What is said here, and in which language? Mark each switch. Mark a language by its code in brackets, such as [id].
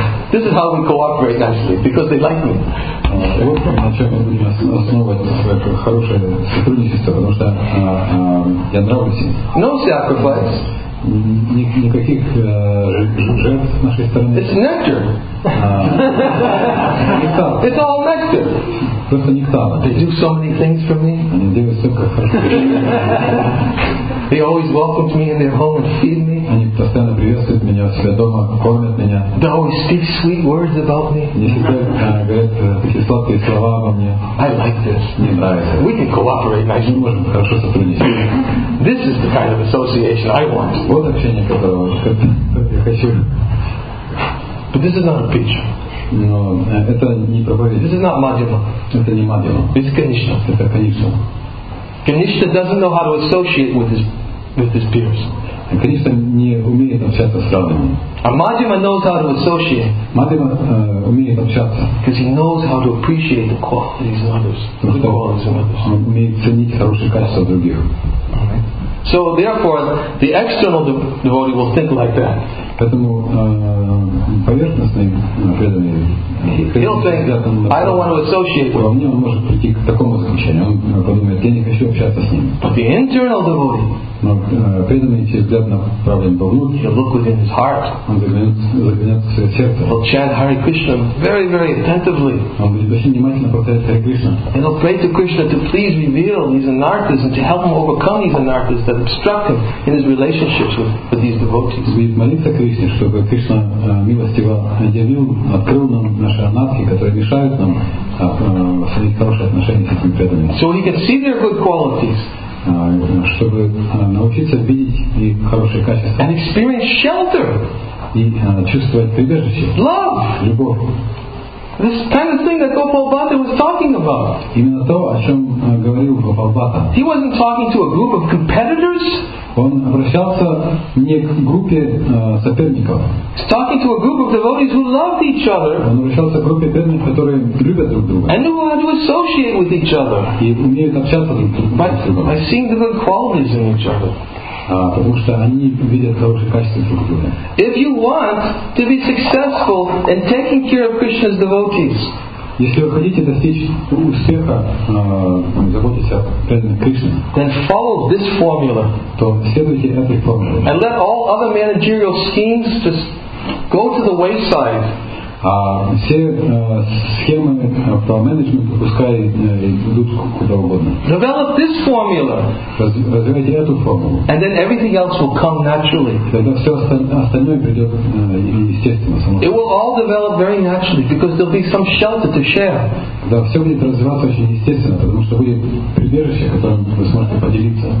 [en] This is how we cooperate nicely, because they like me. [ru] Вот на чем я буду основывать свое хорошее сотрудничество, потому что я нравлюсь им. [en] No sacrifice. [ru] Никаких жертв с нашей стороны. [en] It's nectar. It's all nectar. [ru] Просто нектар. [en] They do so many things for me. [ru] Они делают столько хорошего. [en] They always welcome me in their home and feed me. [ru] Они постоянно приветствуют меня у себя дома, кормят меня. [en] They always speak sweet words about me. [ru] Они всегда говорят такие сладкие слова обо мне. [en] I like this. [ru] Мне нравится. [en] We can cooperate nicely. [ru] Мы можем хорошо сотрудничать. [en] This is the kind of association I want. [ru] Вот общение, которое я хочу. [en] But this is not a pitch. [ru] Но это не проповедь. [en] This is not Madhyama. [ru] Это не Madhyama. [en] It's Kanishna. [ru] Это Kanishna. [en] Kanishna doesn't know how to associate with his peers. [ru] Kanishna не умеет общаться с равными. [en] A Madhyama knows how to associate. [ru] Madhyama умеет общаться. [en] Because he knows how to appreciate the qualities in others. [ru] Он умеет ценить хорошие качества других. [en] So therefore, the external devotee will think like that. [ru] Поэтому поверхностный преданный. [en] He'll think, I don't want to associate with. [ru] Во мне он может прийти к такому заключению. Он подумает, я не хочу общаться с ним. [en] But the internal devotee. [ru] Но преданный через взгляд направлен вовнутрь. [en] He'll look within his heart. [ru] Он заглянет в свое сердце. [en] He'll chant Hare Krishna very, very attentively. [ru] Он будет очень внимательно повторять Hare Krishna. [en] And he'll pray to Krishna to please reveal these anarthas and to help him overcome these anarthas that obstruct him in his relationships with these devotees. [ru] Будет молиться Кришне, чтобы Кришна милостиво открыл нам наши анатхи, которые мешают нам сохранить хорошие отношения с этим преданным. [en] So he can see their good qualities. [ru] Чтобы научиться видеть их хорошие качества. [en] And experience shelter. [ru] И чувствовать прибежище. [en] Love. [ru] Любовь. [en] This kind of thing that Gopal Bhatta was talking about. [ru] Именно то, о чем говорил Гопал Бхатта. [en] He wasn't talking to a group of competitors. [ru] Он обращался не к группе соперников. [en] He's talking to a group of devotees who loved each other. [ru] Он обращался к группе преданных, которые любят друг друга. [en] And knew how to associate with each other. [ru] И умеют общаться друг с другом. [en] By seeing the good qualities in each other. [ru] Потому что они видят хорошие качества друг друга. [en] If you want to be successful in taking care of Krishna's devotees, [ru] если вы хотите достичь успеха, заботьтесь о преданных Кришне. [en] Then follow this formula. [ru] То следуйте этой формуле. [en] And let all other managerial schemes just go to the wayside. [ru] Все схемы по менеджменту пускай идут куда угодно. [en] Develop this formula. [ru] Развивайте эту формулу. [en] And then everything else will come naturally. [ru] Тогда все остальное придет естественно само. [en] It will all develop very naturally because there'll be some shelter to share. [ru] Да, все будет развиваться очень естественно, потому что будет прибежище, которым вы сможете поделиться.